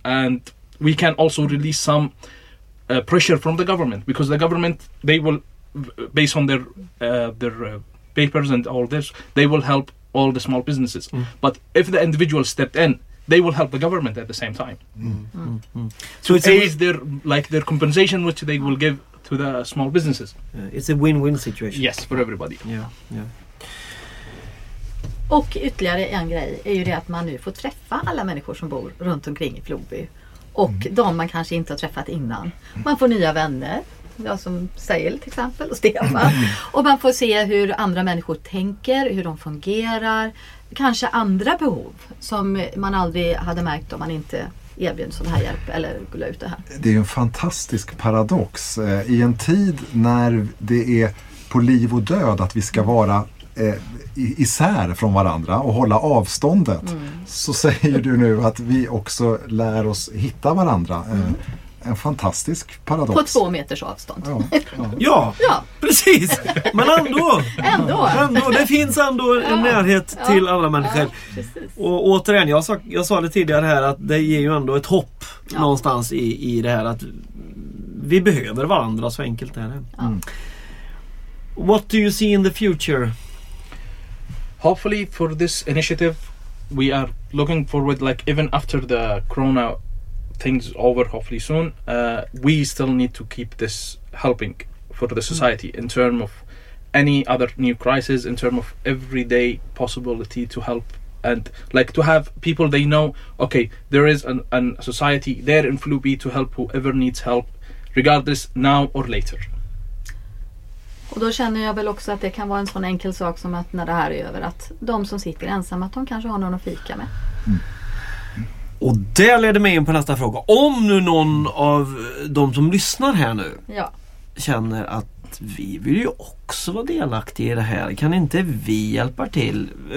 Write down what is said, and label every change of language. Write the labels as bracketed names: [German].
[English] And we can also release some pressure from the government, because the government, they will, based on their papers and all this, they will help all the small businesses. Mm. But if the individual stepped in, they will help the government at the same time. So it's aid their, like, their compensation, which they will give to the small businesses. It's a win-win situation. Yes, for everybody. Yeah. [Swedish] Och ytterligare en grej är ju det att man nu får träffa alla människor som bor runt omkring i Flobi. Och de man kanske inte har träffat innan. Man får nya vänner, jag som Sail till exempel och Stefan. Och man får se hur andra människor tänker, hur de fungerar. Kanske andra behov som man aldrig hade märkt om man inte erbjuder sån här hjälp eller gulla ut det här. Det är en fantastisk paradox. I en tid när det är på liv och död att vi ska vara isär från varandra och hålla avståndet, så säger du nu att vi också lär oss hitta varandra. En fantastisk paradox. På 2 meters avstånd. Ja, precis. Men ändå. Det finns ändå en närhet till alla människor. Ja, och återigen, jag sa det tidigare här, att det ger ju ändå ett hopp någonstans i det här, att vi behöver varandra, så enkelt är det. Ja. [English] What do you see in the future? Hopefully for this initiative, we are looking forward, like, even after the corona things over, hopefully soon, we still need to keep this helping for the society in term of any other new crisis, in term of everyday possibility to help, and like to have people, they know, okay, there is an society there in Flubi to help whoever needs help, regardless now or later. [Swedish] Och då känner jag väl också att det kan vara en sån enkel sak som att när det här är över, att de som sitter ensamma, att de kanske har någon att fika med. Och det leder mig in på nästa fråga. Om nu någon av de som lyssnar här nu känner att vi vill ju också vara delaktiga i det här, kan inte vi hjälpa till?